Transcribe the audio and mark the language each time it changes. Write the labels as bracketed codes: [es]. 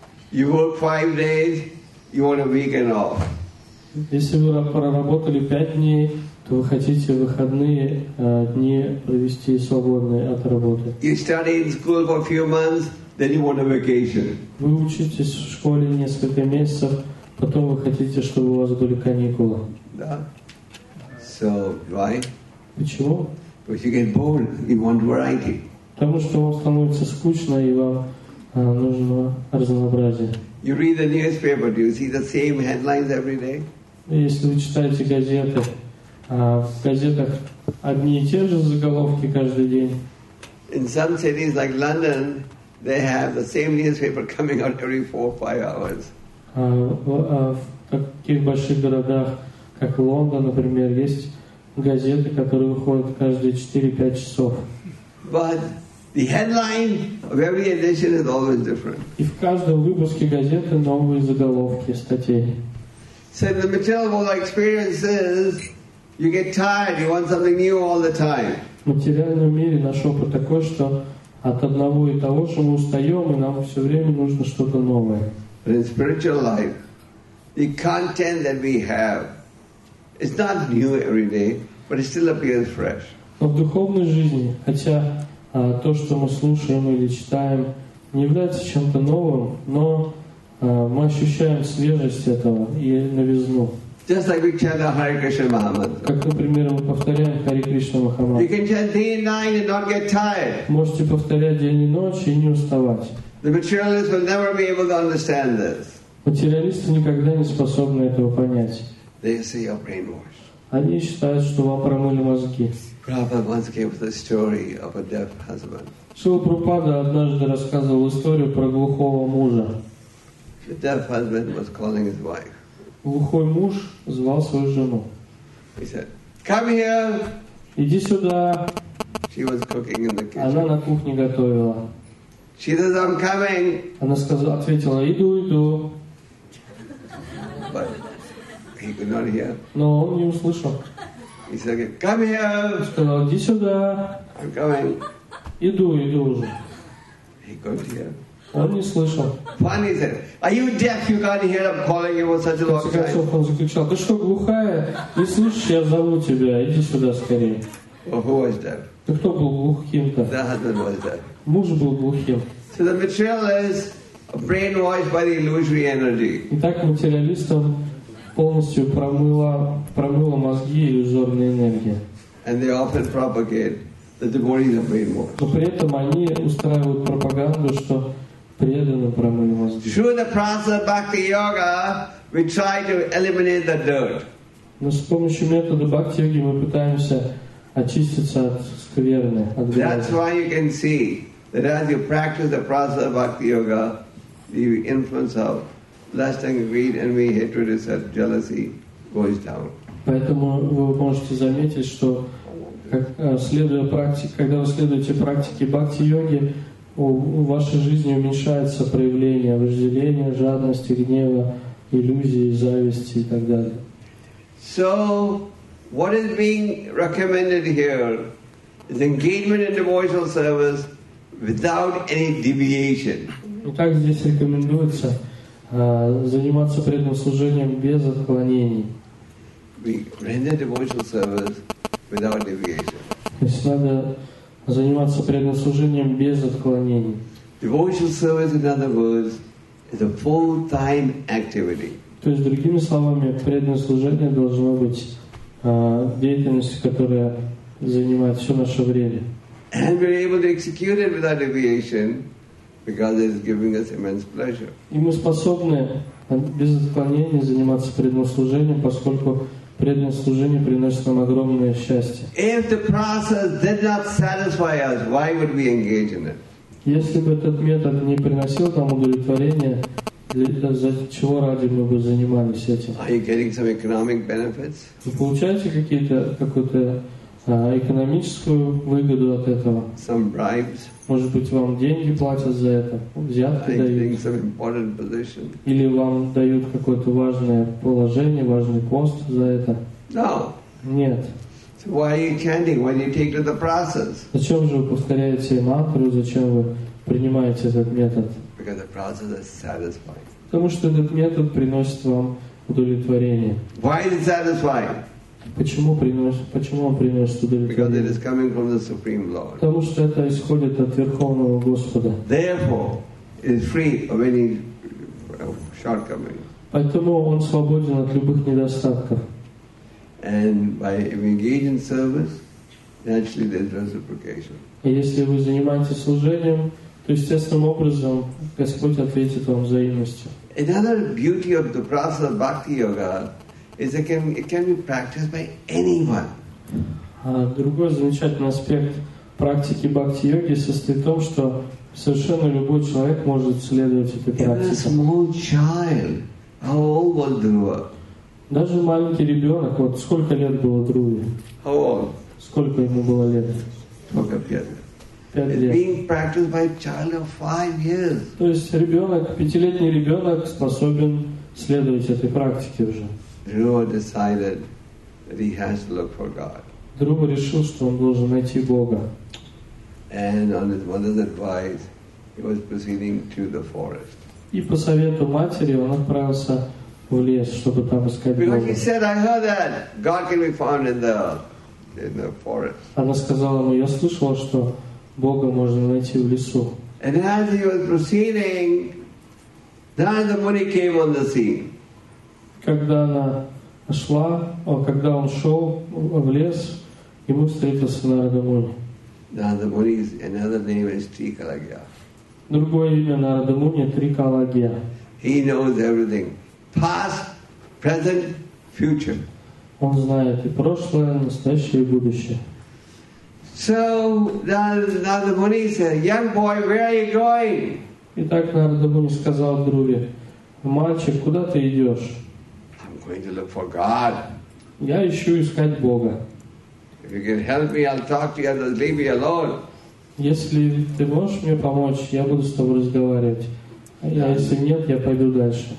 [en] You work 5 days, you want a weekend off. [ru] Если вы проработали 5 дней, то вы хотите выходные дни провести свободные от работы. [en] You study in school for a few months, then you want a vacation. [ru] Вы учитесь в школе несколько месяцев, потом вы хотите, чтобы у вас были каникулы. Да. [en] So why? [ru] Почему? [en] Because you get bored, you want variety. [ru] Потому что вам становится скучно и вам нужно разнообразие. [en] You read the newspaper, do you see the same headlines every day? [ru] Если вы читаете газеты, в газетах одни и те же заголовки каждый день. [en] In some cities like London, they have the same newspaper coming out every 4 or 5 hours. [ru] В таких больших городах, как Лондон, например, есть газеты, которые выходят каждые 4-5 часов. [en] But the headline of every edition is always different. [ru] И в каждом выпуске газеты новые заголовки, статей. [en] So the material experiences. You get tired, you want something new all the time. [ru] В материальном мире наш опыт такой, что от одного и того же мы устаем, и нам все время нужно что-то новое. [en] But in spiritual life, the content that we have is not new every day, but it still appears fresh. [ru] Но в духовной жизни, хотя то, что мы слушаем или читаем, не является чем-то новым, но мы ощущаем свежесть этого и новизну. [en] Just like we chant the Hare Krishna Mahamantra. [ru] Как, например, мы повторяем Hare Krishna Mahamantra. [en] You can chant day and night and not get tired. [ru] Можете повторять день и ночь и не уставать. [en] The materialist will never be able to understand this. [ru] Материалисты никогда не способны этого понять. [en] They say you're brainwashed. [ru] Они считают, что вам промыли мозги. [en] Prabhupada once gave the story of a deaf husband. [ru] Шрила Прабхупада однажды рассказывал историю про глухого мужа. [en] The deaf husband was calling his wife. [ru] Глухой муж звал свою жену. [en] He said, "Come here." [ru] Иди сюда. [en] She was cooking in the kitchen. [ru] Она на кухне готовила. [en] She says, "I'm coming." [ru] Она сказала, ответила, иду, иду. [en] But he could not hear. [ru] Но он не услышал. [en] He said, "Come here." [ru] Сказал, иди сюда. [en] I'm coming. [ru] Иду, иду уже. [en] He couldn't hear. [ru] Он не слышал. [en] Funny, said, "Are you deaf? You can't hear I'm calling you for such a long time." [ru] Он закричал, "Ты что, глухая? Не слышишь, я зову тебя. Иди сюда скорее." [en] Well, who was deaf? [ru] Ты кто был глухим-то? [en] The husband was deaf. [ru] Муж был глухим. [en] So the materialist brainwashed by the illusory energy. [ru] Итак, материалистам полностью промыло мозги иллюзорная энергия. [en] And they often propagate the devotees are brainwashed. [ru] Но при этом они устраивают пропаганду, что преданно промывают. [en] Through the process of bhakti yoga, we try to eliminate the dirt. [ru] Но с помощью метода бхакти йоги мы пытаемся очиститься от скверны, от грязи. [en] That's why you can see that as you practice the process of bhakti yoga, the influence of lust and greed, envy, hatred, and jealousy goes down. [ru] Поэтому вы можете заметить, что следуя практике, когда вы следуете практике бхакти йоги, у вашей жизни уменьшается проявление вожделения, жадности, гнева, иллюзии, зависти и так далее. [en] So, what is being recommended here is engagement in devotional service without any deviation. [ru] Итак, здесь рекомендуется заниматься преданным служением без отклонений. [en] We render devotional service without deviation. [ru] То есть надо заниматься преданным служением без отклонений. [en] Devotional service, in other words, is a full-time activity. [ru] То есть, другими словами, преданное служение должно быть деятельностью, которая занимает все наше время. [en] And we're able to execute it without deviation because it's giving us immense pleasure. [ru] И мы способны без отклонений заниматься преданным служением, поскольку преданное служение приносит нам огромное счастье. [en] If the process did not satisfy us, why would we engage in it? [ru] Если бы этот метод не приносил нам удовлетворения, за чего ради мы бы занимались этим? [en] Are you getting some economic benefits? [ru] Вы получаете какую-то экономическую выгоду от этого? [en] Some bribes? [ru] Может быть, вам деньги платят за это, взятки дают? [en] Are you getting some important position? [ru] Или вам дают какое-то важное положение, важный пост за это? [en] No. [ru] Нет. [en] So why are you chanting? Why do you take to the process? [ru] Зачем же вы повторяете мантру? Зачем вы принимаете этот метод? [en] Because the process is satisfying. [ru] Потому что этот метод приносит вам удовлетворение. [en] Why is it satisfying? [ru] Почему он приносит удовлетворение? [en] Because it is coming from the Supreme Lord. [ru] Потому что это исходит от Верховного Господа. [en] Therefore, it is free of any shortcomings. [ru] Поэтому он свободен от любых недостатков. [en] And by engaging in service, naturally there is reciprocation. [ru] И если вы занимаетесь служением, то естественным образом Господь ответит вам взаимностью. [en] Another beauty of the process of bhakti yoga is it can be practiced by anyone. [ru] Другой замечательный аспект практики бхакти йоги состоит в том, что совершенно любой человек может следовать этой практике. [en] Even a small child, how old was Dhruva? [ru] Даже маленький ребенок, вот сколько лет было Дхруве? [en] How old? [ru] Сколько ему было лет? Только 5. [en] It's being practiced by a child of 5 years. [ru] То есть ребенок, пятилетний ребенок способен следовать этой практике уже. [en] Dhruva decided that he has to look for God. [ru] Dhruva решил, что он должен найти Бога. [en] And on his mother's advice, he was proceeding to the forest. [ru] И по совету матери он отправился в лес, чтобы там искать Бога. [en] Because he said, I heard that God can be found in the forest. [ru] Она сказала ему, я слышала, что Бога можно найти в лесу. [en] And as he was proceeding, Narada Muni came on the scene. [ru] Когда она шла, когда он шел в лес, ему встретился Narada Muni. [en] Narada Muni is another name is Trikalagya. [ru] Другое имя Narada Muni – Трикалагья. [en] He knows everything. Past, present, future. [ru] Он знает и прошлое, настоящее и будущее. [en] So Narada Muni said, "Young boy, where are you going?" [ru] Итак, Narada Muni сказал Друве, "Мальчик, куда ты идешь?" [en] "I'm going to look for God." [ru] Я ищу искать Бога. [en] "If you can help me, I'll talk to you and leave me alone." [ru] Если ты можешь мне помочь, я буду с тобой разговаривать. А если нет, я пойду дальше.